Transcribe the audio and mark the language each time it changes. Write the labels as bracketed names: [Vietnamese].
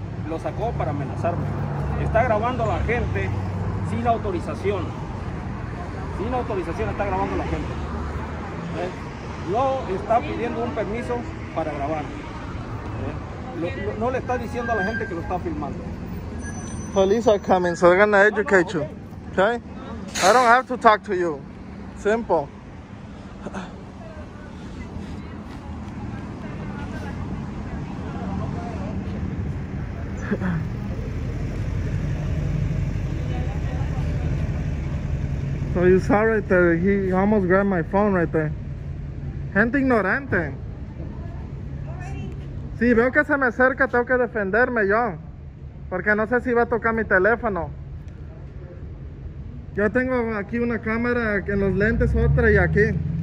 [Spanish] Lo sacó para amenazarme. Está grabando a la gente sin autorización. Sin autorización está grabando a la gente. No está pidiendo un permiso para grabar. No le está diciendo a la gente que lo está filmando. [English] Police are coming, so they're gonna educate you. Okay? I don't have to talk to you. Simple. So you saw right there, he almost grabbed my phone right there. [Spanish] Gente ignorante. Sí, veo que se me acerca, tengo que defenderme yo. Porque no sé si va a tocar mi teléfono. Yo tengo aquí una cámara, en los lentes otra y aquí.